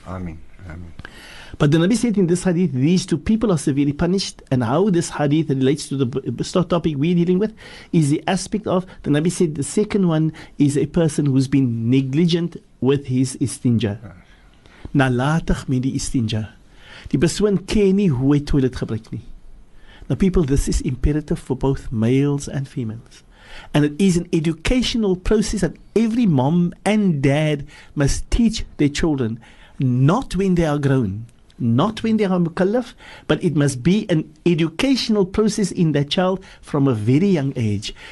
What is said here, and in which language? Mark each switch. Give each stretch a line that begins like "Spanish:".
English: Amen. But the Nabi said in this hadith, these two people are severely punished. And how this hadith relates to the topic we're dealing with is the aspect of, the Nabi said, the second one is a person who's been negligent with his istinja.
Afrikaans: Nalatig met die istinja. Die persoon ken nie hoe hy toilet gebruik nie.
English: Now people, this is imperative for both males and females. And it is an educational process that every mom and dad must teach their children, not when they are grown. Not when they are mukallaf, but it must be an educational process in that child from a very young age.